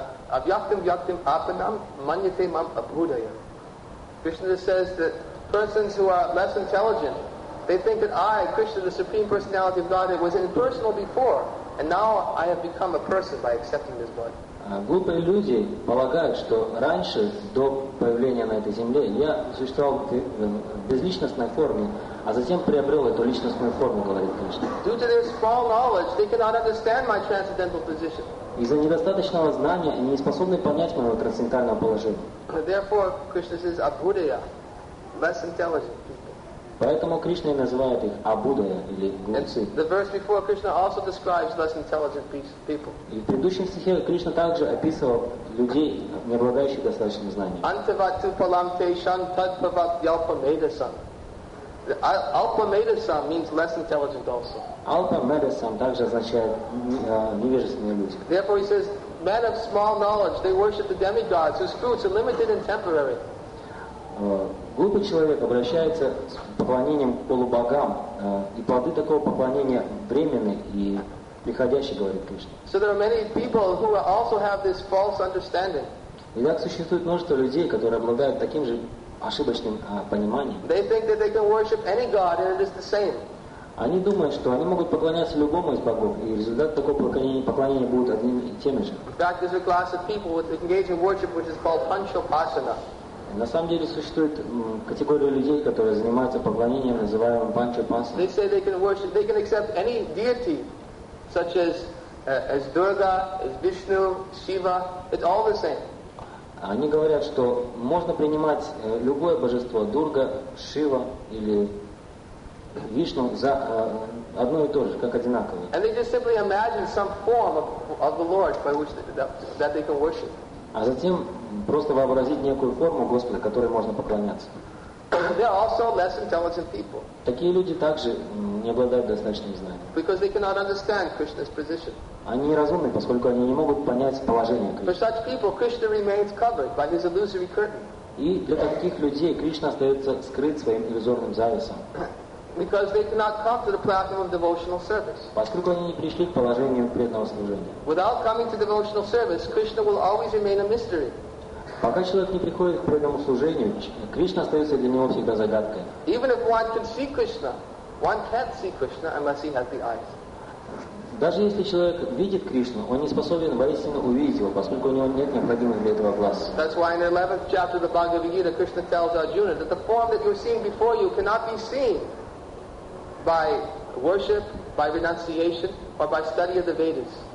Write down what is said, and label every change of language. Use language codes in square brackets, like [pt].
[sa] Обьяктым вьяктым апанам маньяте мам абхудая. [en] Krishna says that persons who are less intelligent, they think that I, Krishna, the Supreme Personality of Godhead, was impersonal before. And now I have become a person by accepting this body. [ru] Глупые люди полагают, что раньше, до появления на этой земле, я существовал в безличностной форме, а затем приобрел эту личностную форму, говорит Кришна. [en] Due to their small knowledge, they cannot understand my transcendental position. [ru] Из-за недостаточного знания они не способны понять моего трансцендентального положения. [en] Therefore, Krishna says, abhudaya, less intelligent people. [ru] Поэтому Кришна и называет их абудая или глупцы. [en] The verse before Krishna also describes less intelligent people. [ru] И в предыдущем стихе Кришна также описывал людей, не обладающих достаточным знанием. [sa] Antavatu palamteshan tadpavat yalpamedasam. [en] Alpamedasam means less intelligent also. [ru] Alpamedasam также означает невежественные люди. [en] Therefore he says, men of small knowledge, they worship the demigods whose fruits are limited and temporary. [ru] Глупый человек обращается с поклонением полубогам, и плоды такого поклонения временны и приходящи, говорит Кришна. [en] So there are many people who also have this false understanding. [ru] И так существует множество людей, которые обладают таким же ошибочным пониманием. [en] They think that they can worship any god and it is the same. [ru] Они думают, что они могут поклоняться любому из богов, и результат такого поклонения будет одним и тем же. [en] In fact, there's a class of people who engage in worship which is called Panchopasana. [ru] На самом деле существует категория людей, которые занимаются поклонением, называемым панчопасана. [en] They say they can worship, they can accept any deity, such as Durga, as Vishnu, Shiva. It's all the same. [ru] Они говорят, что можно принимать любое божество, Дурга, Шива или Вишну, за одно и то же, как одинаковое. [en] And they just simply imagine some form of the Lord by which that they can worship. [ru] А затем просто вообразить некую форму Господа, которой можно поклоняться. [en] They are also less intelligent people. [ru] Такие люди также не обладают достаточным знанием. [en] Because they cannot understand Krishna's position. [ru] Они неразумны, поскольку они не могут понять положение Кришны. [en] For such people, Krishna remains covered by his illusory curtain. [ru] И для таких людей Кришна остается скрыт своим иллюзорным завесом. [en] Because they cannot come to the platform of devotional service. [ru] Поскольку они не пришли к положению преданного служения. [en] Without coming to devotional service, Krishna will always remain a mystery. [ru] Пока человек не приходит к преданному служению, Кришна остается для него всегда загадкой. [en] Even if one can see Krishna, one can't see Krishna unless he has the eyes. [ru] Даже если человек видит Кришну, он не способен воистину увидеть его, поскольку у него нет необходимых для этого глаз. [en] That's why in the 11th chapter of the Bhagavad Gita, Krishna tells Arjuna that the form that you're seeing before you cannot be seen by worship, by renunciation, or by study of the Vedas.